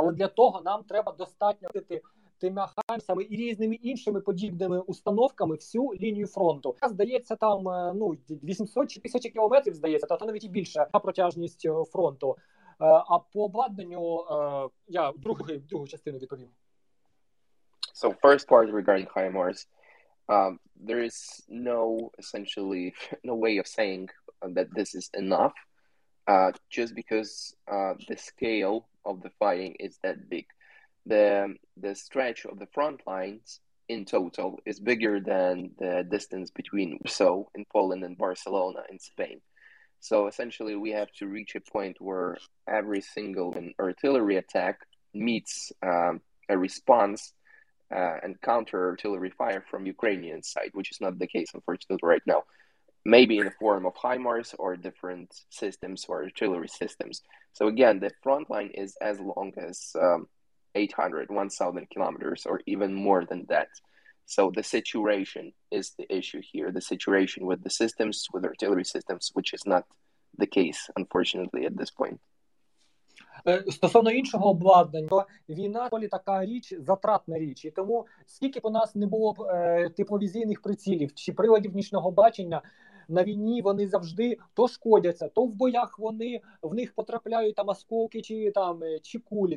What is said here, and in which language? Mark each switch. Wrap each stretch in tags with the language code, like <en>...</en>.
<uk>Але для того нам треба достатньо летіти тими хаймерсами і різними іншими подібними установками всю лінію фронту. Здається, там 800 чи 1000 кілометрів, здається, та навіть і більше протяжність фронту. А по обладнанню я другу частину відповім.</uk> <en>So first part regarding HIMARS. There is no, essentially, no way of saying that this is enough, just because the scale of the fighting is that big. The stretch of the front lines in total is bigger than the distance between Warsaw in Poland and Barcelona in Spain. So essentially, we have to reach a point where every single artillery attack meets a response and counter artillery fire from Ukrainian side, which is not the case, unfortunately, right now. Maybe in the form of HIMARS or different systems or artillery systems. So again, the front line is as long as 800, 1,000 kilometers or even more than that. So the situation is the issue here. The situation with the systems, with artillery systems, which is not the case, unfortunately, at this point.</en> <uk>Стосовно іншого обладнання, то війна – така річ, затратна річ. І тому, скільки б у нас не було б тепловізійних прицілів чи приладів нічного бачення, на війні вони завжди то шкодяться, то в боях вони, в них потрапляють там осколки чи там чи кулі.</uk>